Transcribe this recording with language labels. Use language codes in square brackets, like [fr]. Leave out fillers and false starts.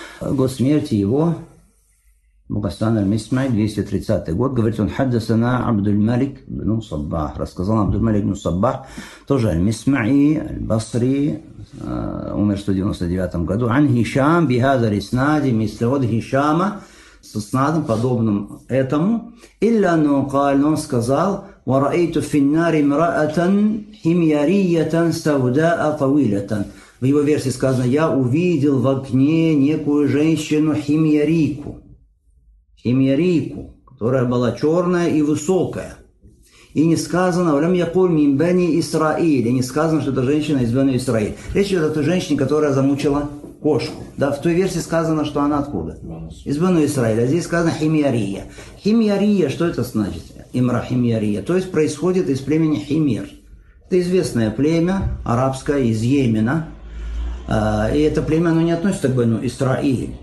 [ru] Год смерти его, Абу Гассан аль-Мисмаи, 230 год, говорит он, [ar] «Хаддасана Абдул-Малик бну Саббах», [ru] рассказал Абдул-Малик бну Саббах, тоже аль-Мисмаи аль-Басри, умер в 199 году. [ar] «Ан Хишам бихазар иснади мислиот Хишама», [ru] с иснадом подобным этому. [ar] «Илля нукал», [ru] но он сказал, [ar] ورأيت في النار امرأة حميرية سوداء طويلة. [ru] В его версии сказано, я увидел в огне некую женщину химьярийку. Химьярийку, которая была черная и высокая. И не сказано, [ar] ولم يقل من بني إسرائيل. [ru] Не сказано, что это женщина из бани Исраиль. Речь идет о той женщине, которая замучила кошку. Да, в той версии сказано, что она откуда? Из бани Исраиль. А здесь сказано химьярия. Химьярия, что это значит? Имрахимьярия, то есть происходит из племени Химер. Это известное племя арабское из Йемена. И это племя, оно не относится к Бену Исраиль.